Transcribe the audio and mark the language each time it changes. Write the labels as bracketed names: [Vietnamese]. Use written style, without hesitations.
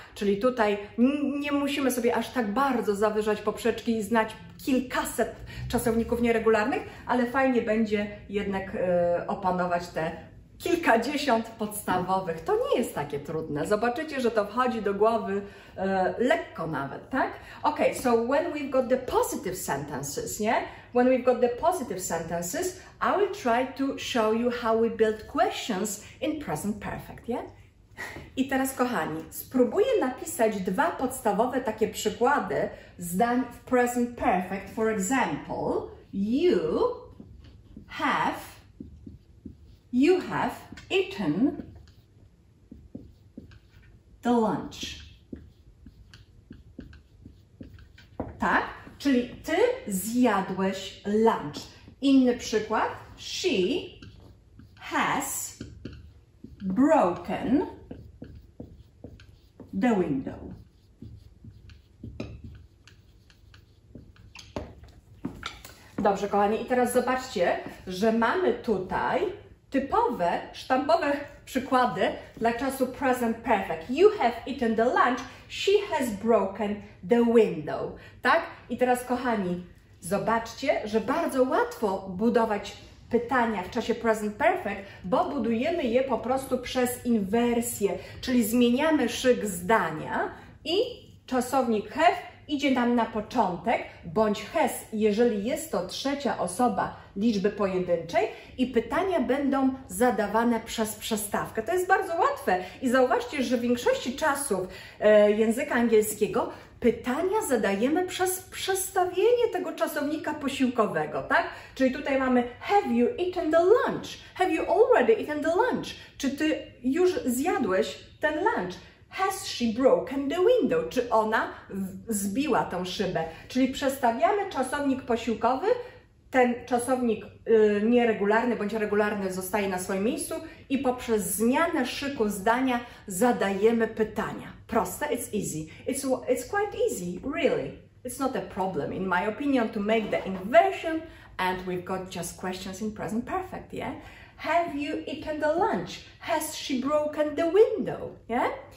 [Polish] Czyli tutaj nie musimy sobie aż tak bardzo zawyżać poprzeczki i znać kilkaset czasowników nieregularnych, ale fajnie będzie jednak opanować te kilkadziesiąt podstawowych. To nie jest takie trudne. Zobaczycie, że to wchodzi do głowy lekko nawet, tak? [English] Okay, so when we've got the positive sentences, yeah? When we've got the positive sentences, I will try to show you how we build questions in present perfect, yeah? [Polish] I teraz, kochani, spróbuję napisać dwa podstawowe takie przykłady zdań w present perfect. [English] For example, you have eaten the lunch. [Polish] Tak? Czyli ty zjadłeś lunch. Inny przykład. [English] She has broken the window. [Polish] Dobrze, kochani. I teraz zobaczcie, że mamy tutaj typowe, sztampowe przykłady dla czasu present perfect. [English] You have eaten the lunch, she has broken the window. [Polish] Tak? I teraz, kochani, zobaczcie, że bardzo łatwo budować pytania w czasie present perfect, bo budujemy je po prostu przez inwersję, czyli zmieniamy szyk zdania i czasownik have idzie nam na początek, bądź has, jeżeli jest to trzecia osoba liczby pojedynczej i pytania będą zadawane przez przestawkę. To jest bardzo łatwe i zauważcie, że w większości czasów języka angielskiego pytania zadajemy przez przestawienie tego czasownika posiłkowego, tak? Czyli tutaj mamy [English] have you eaten the lunch? Have you already eaten the lunch? [Polish] Czy ty już zjadłeś ten lunch? [English] Has she broken the window? [Polish] Czy ona zbiła tą szybę? Czyli przestawiamy czasownik posiłkowy, ten czasownik nieregularny bądź regularny zostaje na swoim miejscu i poprzez zmianę szyku zdania zadajemy pytania. Proste? [English] It's easy. It's quite easy, really. It's not a problem, in my opinion, to make the inversion and we've got just questions in present perfect, yeah? Have you eaten the lunch? Has she broken the window? Yeah?